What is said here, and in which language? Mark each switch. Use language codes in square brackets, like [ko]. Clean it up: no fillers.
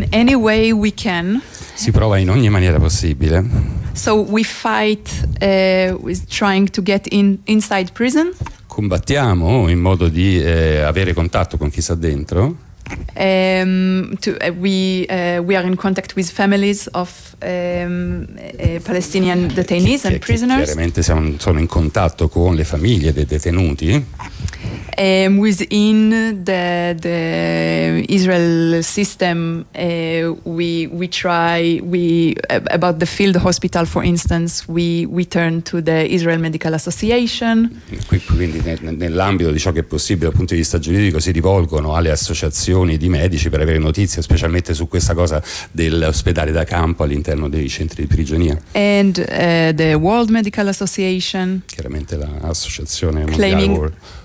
[it] Si prova in ogni maniera possibile. [en] So we fight with trying to get inside prison. [it] Combattiamo in modo di avere contatto con chi sta dentro. [en] We are in contact with families of Palestinian detainees and prisoners. [it] Chiaramente sono in contatto con le famiglie dei detenuti. [en] Within the Israel system, we try about the field hospital, for instance, we turn to the Israel Medical Association. [it] Quindi nell'ambito di ciò che è possibile dal punto di vista giuridico si rivolgono alle associazioni di medici per avere notizie, specialmente su questa cosa dell'ospedale da campo all'interno dei centri di prigionia. [en] And the World Medical Association. [it] Chiaramente l'associazione mondiale.